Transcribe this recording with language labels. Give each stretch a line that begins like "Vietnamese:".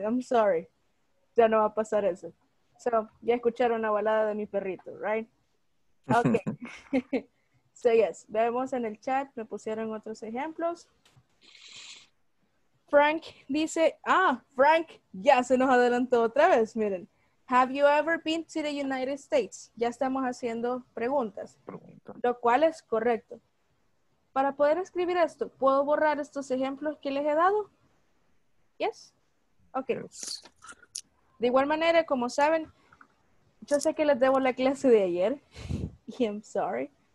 English: I'm sorry.
Spanish: Ya no va a pasar eso. So, ya escucharon la balada de mi perrito,
English: right? Okay. So, yes.
Spanish: Vemos en el chat. Me pusieron otros ejemplos. Frank dice, Frank, ya se nos adelantó otra vez, miren.
English: Have you ever been to the United States?
Spanish: Ya estamos haciendo preguntas. Pregunta. Lo cual es correcto. Para poder escribir esto, ¿puedo borrar estos ejemplos que les he dado?
English: Yes. Ok. Yes.
Spanish: De igual manera, como saben, yo sé que les debo la clase de ayer.
English: I'm sorry.